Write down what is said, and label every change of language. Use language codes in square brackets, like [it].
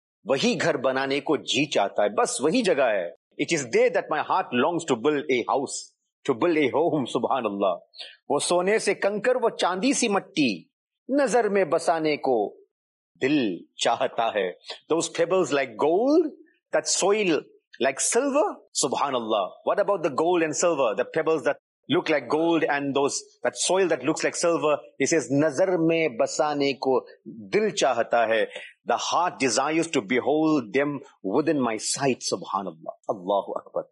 [ur] وہی گھر بنانے کو جی چاہتا ہے, بس وہی جگہ ہے. [en] It is there that my heart longs to build a house, to build a home, سبحان اللہ. [ur] وہ سونے سے کنکر وہ چاندی سی مٹی نظر میں بسانے کو دل چاہتا ہے. [en] Those pebbles like gold, that soil like silver, subhanallah. What about the gold and silver, the pebbles that look like gold and those, that soil that looks like silver? He says, [ur] nazar mein basane ko dil chahta hai, [en] the heart desires to behold them within my sight, subhanallah. Allahu akbar.